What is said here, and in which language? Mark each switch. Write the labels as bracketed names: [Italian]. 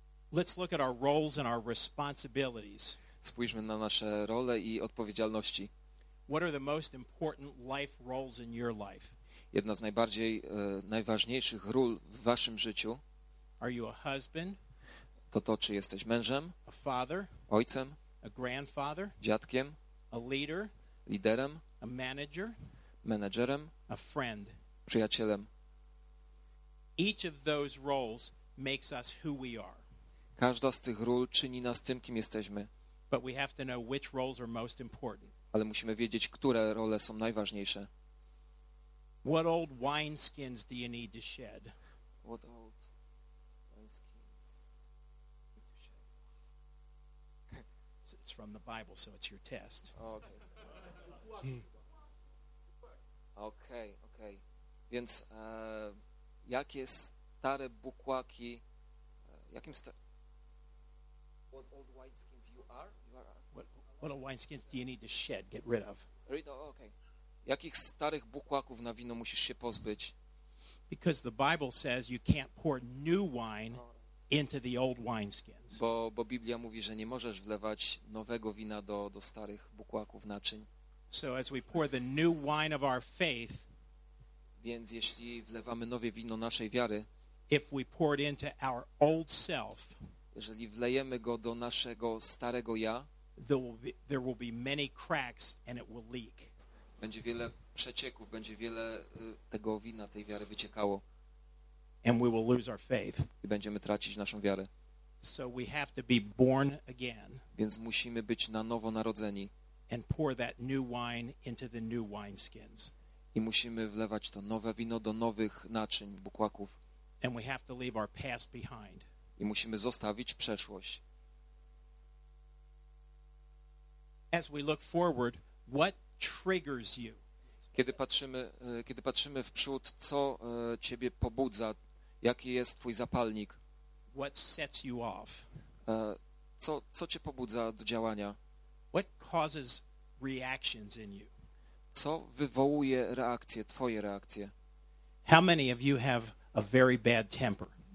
[English] Let's look at our roles and our responsibilities. [Polish] Spójrzmy na nasze role i odpowiedzialności. [English] What are the most important life roles in your life? [Polish] Jedna z najbardziej najważniejszych ról w waszym życiu. [English] Are you a husband? [Polish] To czy jesteś mężem? [English] A father? [Polish] Ojcem? [English] A grandfather? [Polish] Dziadkiem? [English] A leader? [Polish] Liderem? [English] A manager? [Polish] Menedżerem? [English] A friend? [Polish] Przyjacielem? [English] Each of those roles makes us who we are. [Polish] Każda z tych ról czyni nas tym, kim jesteśmy. [English] But we have to know which roles are most important. [Polish] Ale musimy wiedzieć, które role są najważniejsze. [English] What old wineskins do you need to shed? What old wineskins need to shed? It's from the Bible, so it's your test. Oh, okay. Okay, okay. [Polish] Więc jakie stare bukłaki, jakim stare... [English] What old wineskins you are asking? What old wineskins do you need to shed, get rid of? Okay. [Polish] Jakich starych bukłaków na wino musisz się pozbyć? [English] Because the Bible says you can't pour new wine into the old wineskins. [Polish] Bo Biblia mówi, że nie możesz wlewać nowego wina do starych bukłaków naczyń. [English] So as we pour the new wine of our faith, [Polish] więc jeśli wlewamy nowe wino naszej wiary, [English] if we pour it into our old self, [Polish] jeżeli wlejemy go do naszego starego ja, [English] there will be many cracks and it will leak. [Polish] Będzie wiele przecieków, będzie wiele tego wina, tej wiary wyciekało. [English] And we will lose our faith. [Polish] I będziemy tracić naszą wiarę. [English] So we have to be born again. [Polish] Więc musimy być na nowo narodzeni. [English] And pour that new wine into the new wineskins. [Polish] I musimy wlewać to nowe wino do nowych naczyń, bukłaków. [English] And we have to leave our past behind. [Polish] I musimy zostawić przeszłość. [English] As we look forward, what triggers you? [Polish] Kiedy patrzymy w przód, co ciebie pobudza? Jaki jest twój zapalnik? [English] What sets you off? [Polish] Co cię pobudza do działania? [English] What causes reactions in you? [Polish] Co wywołuje reakcje, twoje reakcje? [English] How many of you have a very bad temper?